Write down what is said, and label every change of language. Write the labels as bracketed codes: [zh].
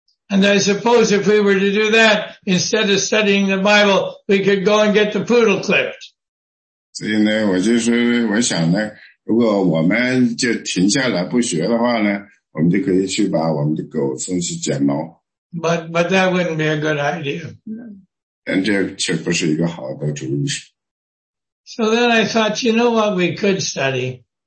[en] And I suppose if we were to do that, instead of studying the Bible, we could go and get the poodle clipped. [zh] 所以呢，我就是我想呢， 如果我们就停下来不学的话呢，我们就可以去把我们的狗送去剪毛。 [en] But that wouldn't be a good idea. [zh] 但这却不是一个好的主意。 [en] So then I thought, you know what we could study?